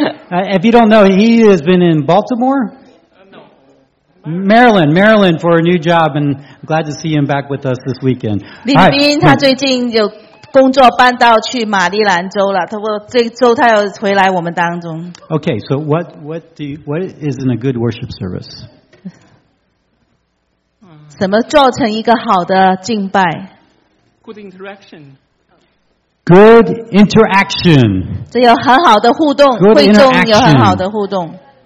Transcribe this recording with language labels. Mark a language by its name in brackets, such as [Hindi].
[English] If you don't know, he has been in Baltimore. Maryland for a new job, and glad to see him back with us this weekend. [Chinese] 林斌他最近有工作搬到去马里兰州了，他说这周他要回来我们当中。 [English] Okay, so what is in a good worship service? [Chinese] 什么做成一个好的敬拜 [English] ？Good interaction. Good interaction. [Chinese] 这有很好的互动，会中有很好的互动。